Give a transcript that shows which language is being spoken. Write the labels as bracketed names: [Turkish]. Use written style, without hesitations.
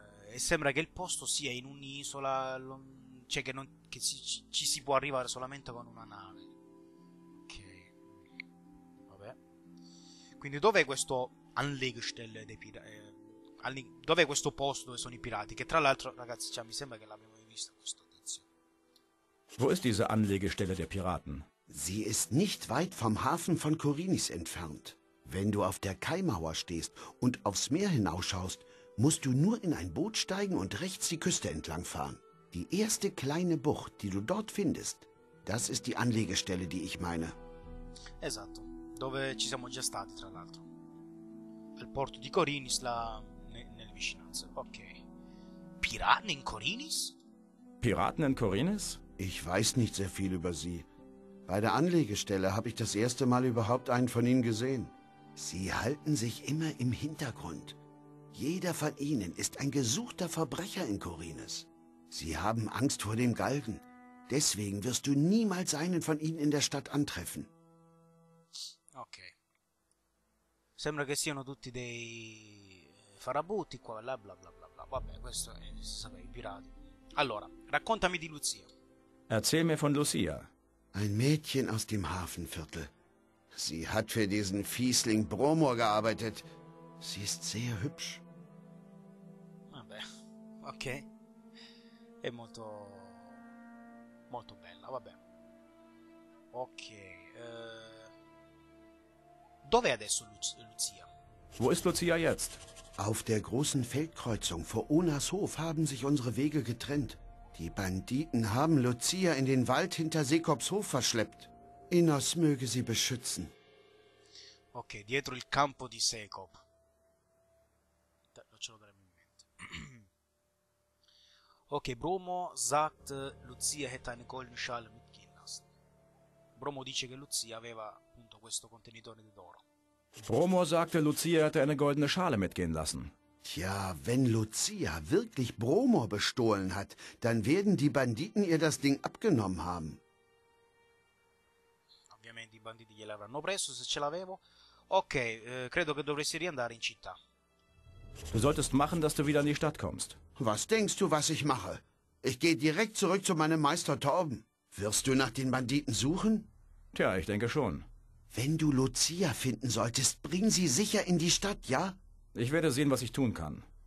[Italian] E sembra che il posto sia in un'isola. Cioè che, non, che ci si può arrivare solamente con una nave. Quindi dov'è questo Anlegestelle dei pirati? Dov'è questo posto dove sono i pirati? Che tra l'altro, ragazzi, cioè, mi sembra che l'abbiamo visto questo tizio. [German] Wo ist diese Anlegestelle der Piraten? Sie ist nicht weit vom Hafen von Korinnes entfernt. Wenn du auf der Kaimauer stehst und aufs Meer hinausschaust, musst du nur in ein Boot steigen und rechts die Küste entlang fahren. Die erste kleine Bucht, die du dort findest, Das ist die Anlegestelle, die ich meine. [Italian] Esatto. Dove ci siamo già stati, tra l'altro. Al porto di Corinis, là nel vicinanza. [German] Ok. Piraten in Corinis? Piraten in Corinis? Ich weiß nicht sehr viel über sie. Bei der Anlegestelle habe ich das erste Mal überhaupt einen von ihnen gesehen. Sie halten sich immer im Hintergrund. Jeder von ihnen ist ein gesuchter Verbrecher in Corinis. Sie haben Angst vor dem Galgen. Deswegen wirst du niemals einen von ihnen in der Stadt antreffen. Okay. [Italian] Sembra che siano tutti dei farabutti qua, bla bla bla bla. Vabbè, questo è, sapevi, i pirati. Allora, raccontami di Lucia. [German] Erzähl mir von Lucia. Ein Mädchen aus dem Hafenviertel. Sie hat für diesen Fiesling Bromor gearbeitet. Sie ist sehr hübsch. [Italian] Vabbè, okay. È molto... molto bella, vabbè. Ok. Dov'è adesso Lucia? [German] Wo ist Lucia jetzt? Auf der großen Feldkreuzung vor Onas Hof haben sich unsere Wege getrennt. Die Banditen haben Lucia in den Wald hinter Sekops Hof verschleppt. Innos möge sie beschützen. [Italian] Okay, dietro il campo di Sekop. Da, non ce l'ho dare in mente. [German] Okay, Bromo sagt, Lucia hätte eine goldene Schale mit Ginnas. [Italian] Bromo dice che Lucia aveva appunto questo contenitore d'oro. [German] Bromor sagte, Lucia hätte eine goldene Schale mitgehen lassen. Tja, wenn Lucia wirklich Bromor bestohlen hat, dann werden die Banditen ihr das Ding abgenommen haben. [Italian] Ovviamente i banditi gliel'avranno preso, se ce l'avevo. Okay, credo che dovresti riandare in città. [German] Du solltest machen, dass du wieder in die Stadt kommst. Was denkst du, was ich mache? Ich gehe direkt zurück zu meinem Meister Torben. Wirst du nach den Banditen suchen? Tja, ich denke schon. Wenn du Lucia finden solltest, bring sie sicher in die Stadt, ja? Ich werde sehen, was ich tun kann.